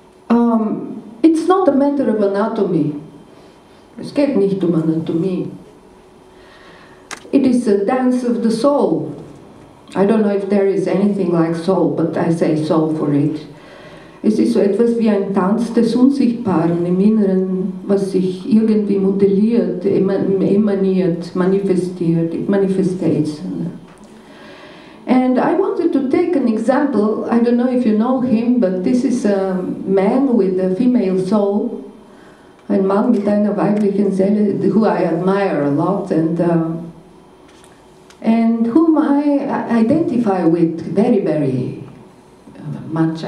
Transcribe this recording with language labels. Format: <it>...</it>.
<en>And it's not a matter of anatomy.</en> <de>Es geht nicht um Anatomie.</de> <en>It is a dance of the soul. I don't know if there is anything like soul, but I say soul for it.</en> <de>Es ist so etwas wie ein Tanz des Unsichtbaren im Inneren, was sich irgendwie modelliert, emaniert, manifestiert,</de> <en>it manifestates. And I wanted to take an example. I don't know if you know him, but this is a man with a female soul,</en> <de>ein Mann mit einer weiblichen Seele,</de> <en>who I admire a lot, and whom I identify with very, very much.</en>